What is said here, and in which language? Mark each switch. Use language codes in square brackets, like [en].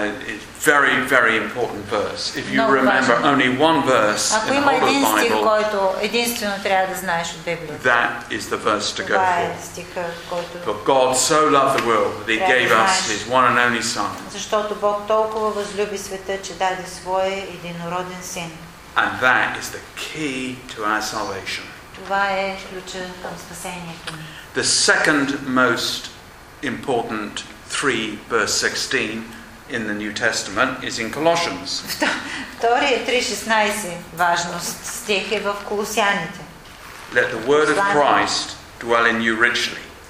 [en] It's very, very important verse. If you remember only one verse in the whole of the Bible, [bg] стих, който единствено трябва да знаеш от Библията, [en] that is the verse to go [bg] е [en] for. [bg] Стиха, който... [en] For God so loved the world that he gave us his one and only Son. [bg] Защото Бог толкова възлюби света, че даде своя единороден син. [en] And that is the key to our salvation. [bg] Това е ключа към спасението ни. [en] The second most important 3 verse 16 in the New Testament is in Colossians. [bg] Втория 3:16 важност стих е в Колосяните. [en] Let the word of Christ dwell in you richly.